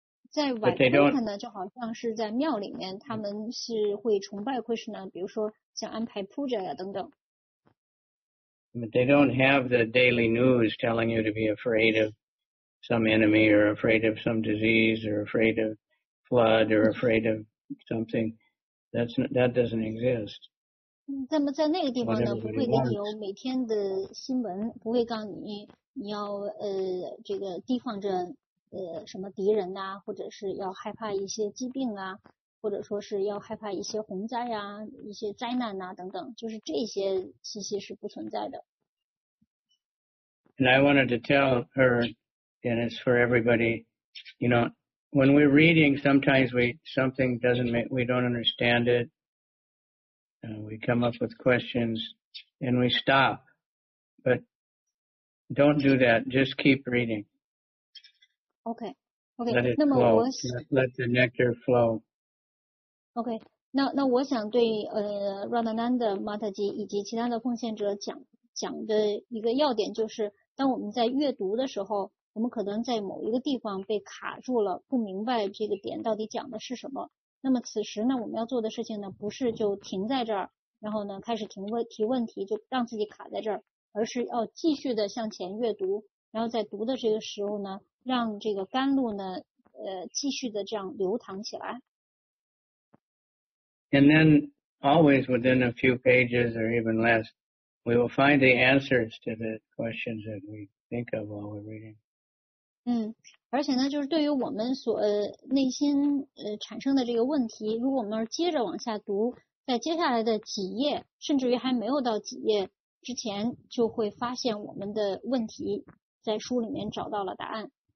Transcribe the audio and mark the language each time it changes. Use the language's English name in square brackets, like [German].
[Chinese] 在 Vaikuntha 呢，就好像是在庙里面，他们是会崇拜 Krishna， 比如说想安排 puja 呀等等。 [English] But they don't have the daily news telling you to be afraid of some enemy or afraid of some disease or afraid of flood or afraid of something. That doesn't exist. [Chinese] 那么在那个地方呢，不会给你有每天的新闻，不会告诉你你要这个提防着什么敌人啊，或者是要害怕一些疾病啊，或者说是要害怕一些洪灾啊，一些灾难啊等等，就是这些信息是不存在的。 [English] And I wanted to tell her, and it's for everybody, you know, when we're reading, sometimes we don't understand it. We come up with questions and we stop. But don't do that. Just keep reading. Okay. Let it flow. Let the nectar flow. [Chinese] Okay. 那我想对Radhananda Mataji 以及其他的奉献者讲的一个要点就是当我们在阅读的时候，我们可能在某一个地方被卡住了，不明白这个点到底讲的是什么。那么此时呢，我们要做的事情呢，不是就停在这儿，然后呢开始提问题，就让自己卡在这儿，而是要继续的向前阅读，然后在读的这个时候呢，让这个甘露呢，继续的这样流淌起来。 [English] And then always within a few pages or even less. We will find the answers to the questions that we think of while we're reading. [Chinese] 而且呢，就是对于我们所内心产生的这个问题，如果我们接着往下读，在接下来的几页，甚至于还没有到几页之前，就会发现我们的问题在书里面找到了答案。